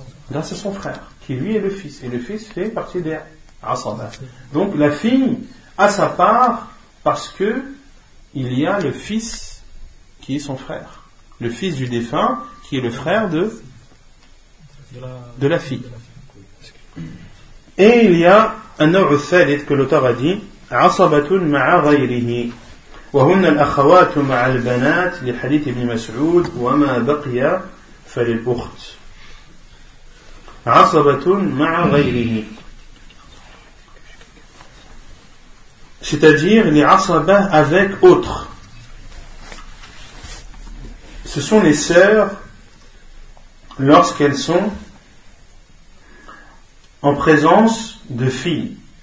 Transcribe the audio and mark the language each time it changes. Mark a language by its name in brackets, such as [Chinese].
[French] Grâce à son frère, qui lui est le fils. Et le fils fait partie des asaba. Donc la fille a sa part parce que il y a le fils qui est son frère. Le fils du défunt, qui est le frère de la fille. Et il y a un autre thalith que l'auteur a dit, [Arabic] عَصَبَةٌ مَعَ غَيْرِهِ وَهُنَّ الْأَخَوَاتُ مَعَ الْبَنَاتِ لِحَدِيثِ ابْنِ مَسْعُودِ وَمَا بَقِيَ فَلِلْأُخْتِ. [French] عَصَبَةٌ مَعَ غَيْرِهِ, c'est-à-dire les عَصَبَةٌ avec autre. Ce sont les sœurs lorsqu'elles sont en présence de filles.